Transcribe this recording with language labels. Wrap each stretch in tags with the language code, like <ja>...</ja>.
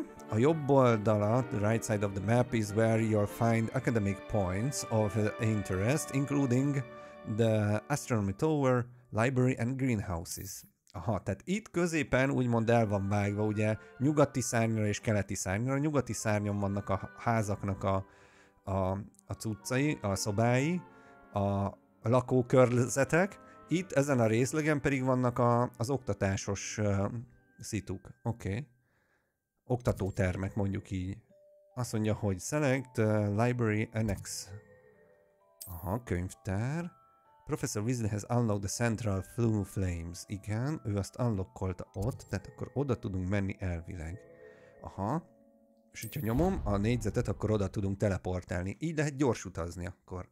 <hu>A jobb oldala,</hu> <en>the right side of the map, is where you'll find academic points of interest, including the astronomy tower, library and greenhouses.</en> <hu>Tehát itt középen úgymond el van vágva, ugye, nyugati szárnyra és keleti szárnyra. A nyugati szárnyon vannak a házaknak a cuccai, a szobái, a lakókörzetek. Itt ezen a részlegen pedig vannak az oktatásos szituk. Oktatótermek, mondjuk így. Azt mondja, hogy</hu> <en>select library annex.</en> <hu>Könyvtár.</hu> <en>Professor Weasley has unlocked the central flu flames.</en> <hu>Igen, ő azt unlockolta ott, tehát akkor oda tudunk menni elvileg. És hogyha nyomom a négyzetet, akkor oda tudunk teleportálni. Így lehet gyors utazni akkor.</hu>